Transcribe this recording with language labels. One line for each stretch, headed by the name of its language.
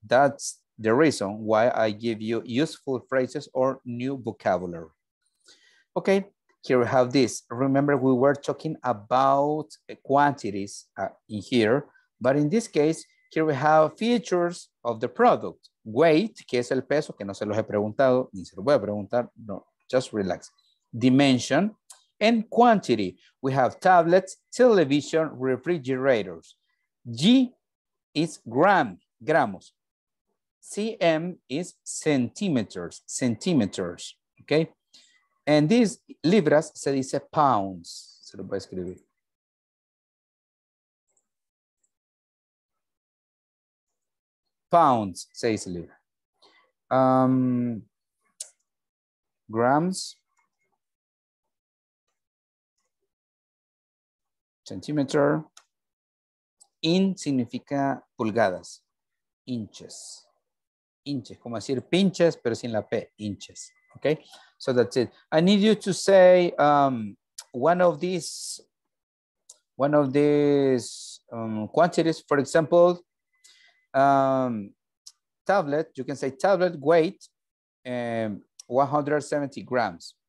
English: That's the reason why I give you useful phrases or new vocabulary. Okay, here we have this. Remember, we were talking about quantities in here, but in this case, here we have features of the product.
Spanish: Weight, que es el peso, que no se los he preguntado, ni se los voy a preguntar, no,
English: just relax. Dimension and quantity. We have tablets, television, refrigerators. G is gram, gramos. CM is centimeters, centimeters, okay? And these
Spanish: libras se dice pounds. Se lo voy a escribir. Pounds, se dice libra.
English: Grams. Centimeter. In
Spanish: significa pulgadas.
English: Inches.
Spanish: Inches, como decir pinches, pero sin la P, inches.
English: Okay, so that's it. I need you to say one of these quantities. For example, tablet, you can say tablet weight 170 grams.